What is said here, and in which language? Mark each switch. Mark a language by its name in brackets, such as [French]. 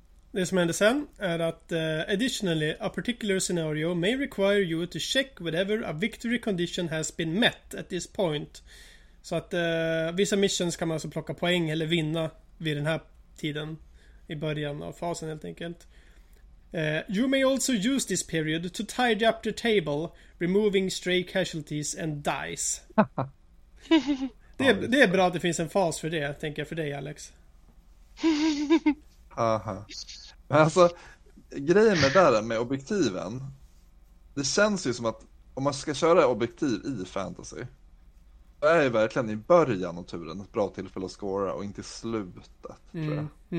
[Swedish] Det som händer sen är att [English] additionally, a particular scenario may require you to check whatever a victory condition has been met at this point. [Swedish] Så att vissa missions kan man alltså plocka poäng eller vinna vid den här tiden i början av fasen, helt enkelt. [English] You may also use this period to tidy up the table, removing stray casualties and dice. [Swedish] Det är bra att det finns en fas för det, tänker jag, för dig, Alex. Aha. Men alltså, grejen med det där med objektiven, det känns ju som att om man ska köra objektiv i fantasy, då är ju verkligen i början av turen ett bra tillfälle att scora och inte i slutet, tror jag.